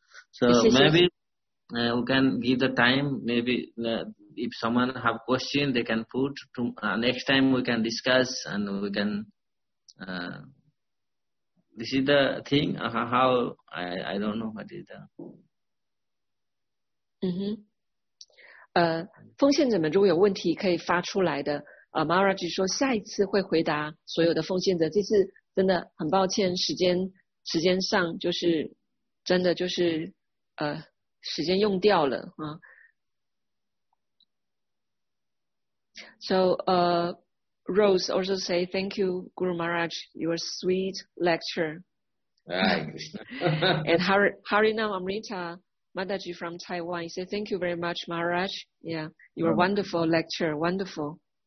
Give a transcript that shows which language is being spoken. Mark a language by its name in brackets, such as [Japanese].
[English] So maybe we can give the time, maybe if someone have question, they can put to, next time we can discuss and we can this is the thing, how, I don't know what is that. Mm-hmm. [Chinese] 奉献者们如果有问题可以发出来的，Maharaj 说下一次会回答所有的奉献者，这次真的很抱歉，时间上就是真的就是时间用掉了啊。 [English] So, Rose also say thank you, Guru Maharaj, your sweet lecture. Right. And Harinam Amrita, Mataji from Taiwan, say thank you very much, Maharaj. Yeah, your wonderful lecture, wonderful.